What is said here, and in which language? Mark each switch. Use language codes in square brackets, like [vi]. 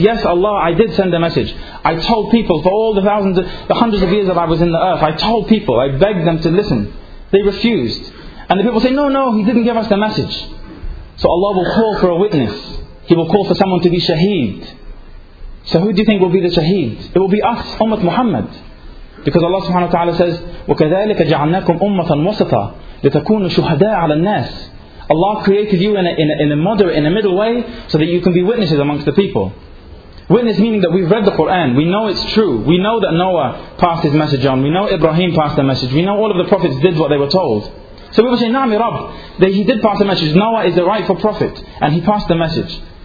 [en] Yes, Allah, I did send a message. I told people for all the thousands, the hundreds of years that I was in the earth. I told people, I begged them to listen. They refused. And the people say, no, he didn't give us the message. So Allah will call for a witness. He will call for someone to be shaheed. So who do you think will be the shaheed? It will be us, Ummat Muhammad. Because Allah subhanahu wa ta'ala says, [ar] وَكَذَلِكَ جَعَلْنَاكُمْ أُمَّةً وَسَطًا لِتَكُونُوا شُهَدَاءَ عَلَى النَّاسِ. [en] Allah created you in a middle way, so that you can be witnesses amongst the people. Witness meaning that we've read the Quran, we know it's true, we know that Noah passed his message on, we know Ibrahim passed the message, we know all of the prophets did what they were told. So people say, Naam, Ya Rabb, that he did pass the message, Noah is the rightful prophet, and he passed the message.